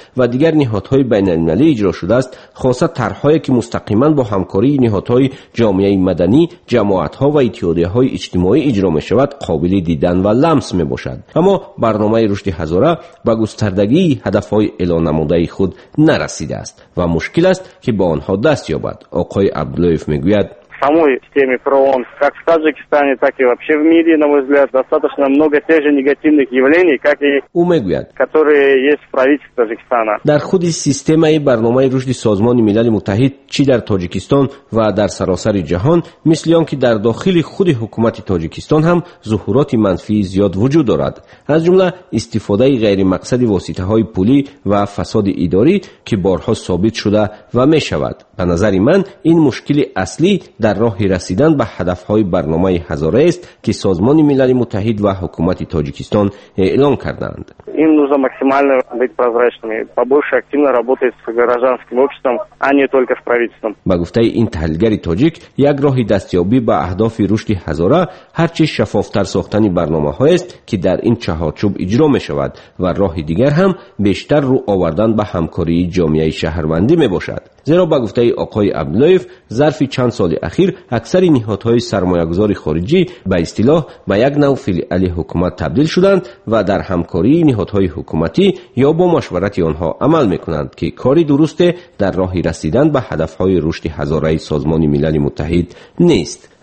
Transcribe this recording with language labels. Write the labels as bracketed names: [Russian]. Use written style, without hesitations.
[Persian] و دیگر نهادهای بین‌المللی اجرا شده است، خاصه طرحهایی که مستقیما با همکاری نهادهای جامعه مدنی، جماعت ها و اتحادیه های اجتماعی اجرا می شود قابل دیدن و لمس می باشد. اما برنامه رشد هزاره با گستردگی هدف های اعلان نموده خود نرسیده است و مشکل است که با آنها دست یابد. آقای عبدالله می گوید [Russian] самой системе правовом, как в Таджикистане, так и вообще в мире, на мой взгляд, достаточно много тех же негативных явлений, как и умегуят, которые есть в правительстве Таджикистана. [Tajik] Дар худи система и барномаи рушди созмони милали мутахид, чи дар Таджикистан ва дар саросари джахан, мисли он ки дар дохили худи хукумати Таджикистан хам зухурати манфи зиёд вуджуд дорад. Аз джумла истифодаи гайри мақсади воситаҳои пули ва фасади идорӣ, ки борҳо собит шуда ва мешавад. Ба назари ман, ин мушкили аслӣ дар [Persian] در راه رسیدن به هدفهای برنامه هزاره است که سازمان ملل متحد و حکومت تاجیکستان اعلام کردند. این [Russian] нужно максимально быть прозрачными, побольше активно работать с гражданским обществом, а не только с правительством. [Persian] با گفته این تحلیلگر تاجیک، یک راه دستیابی به اهداف رشد هزاره هر چه شفافتر ساختن برنامه‌ها است که در این چهارچوب اجرا می‌شود و راه دیگر هم بیشتر رو آوردن به همکاری جامعه شهروندی میباشد. زیرا با گفته آقای عبدالله ظرف چند سال اخیر اکثر نهادهای سرمایه‌گذاری خارجی به اصطلاح به یک نوع فیلیال حکومت تبدیل شدند و در همکاری نهادهای حکومتی یا با مشورت آنها عمل می‌کنند که کاری درست در راه رسیدن به هدف‌های رشد هزاره سازمان ملل متحد نیست.